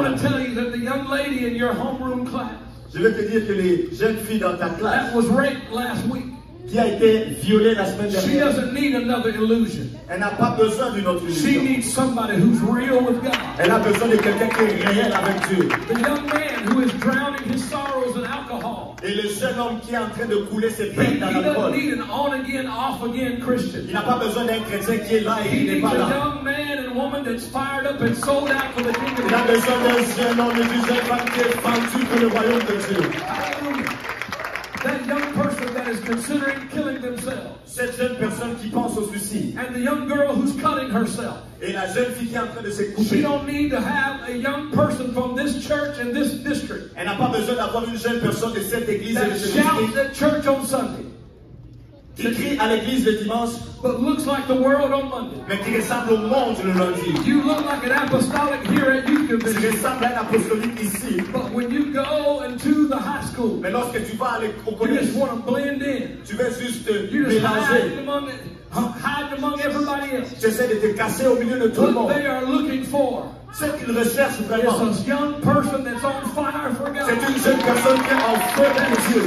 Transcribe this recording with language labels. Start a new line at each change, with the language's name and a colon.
English: I want to tell you that the young lady in your homeroom class.
French: Je vais te dire que les jeunes filles dans ta classe.
English: That was raped last week.
French: Qui a été violée la semaine dernière.
English: She doesn't need another illusion.
French: Elle n'a pas besoin d'une autre illusion.
English: She needs somebody who's real with God.
French: Elle a besoin de quelqu'un qui est réel avec Dieu.
English: The young man who is drowning his sorrows in alcohol.
French: Et le jeune homme qui est en train de couler ses peines dans l'alcool.
English: He doesn't need an on again, off again Christian.
French: Il n'a pas besoin d'un chrétien qui est là et n'est pas là.
English: He needs a young man and woman that's fired up and sold out for the kingdom.
French: Il a besoin d'un jeune homme et d'une jeune femme qui est vendu pour le royaume de Dieu.
English: That young person that is considering killing themselves.
French: Cette jeune personne qui pense au suicide.
English: And the young girl who's cutting herself.
French: Et la jeune fille qui est en train de se couper.
English: She don't need to have a young person from this church and this district.
French: Elle n'a pas besoin d'avoir une jeune personne de cette église et de ce district.
English: That shouts at church on Sunday.
French: Qui crie à l'église le dimanche.
English: But looks like the world on Monday.
French: Mais qui ressemble au monde le lundi.
English: You look like an apostolic here at youth division.
French: Tu ressembles à un apostolique ici.
English: But when you go into the high school.
French: Mais lorsque tu vas aller au collège.
English: You just want to blend in.
French: Tu veux juste
English: you just
French: mélanger.
English: Hide among everybody else.
French: J'essaie de te casser au milieu de tout
English: what
French: le monde.
English: They are looking for.
French: Ce qu'ils recherchent vraiment.
English: It's a young person that's on fire for God.
French: C'est une jeune personne qui est en feu pour Dieu.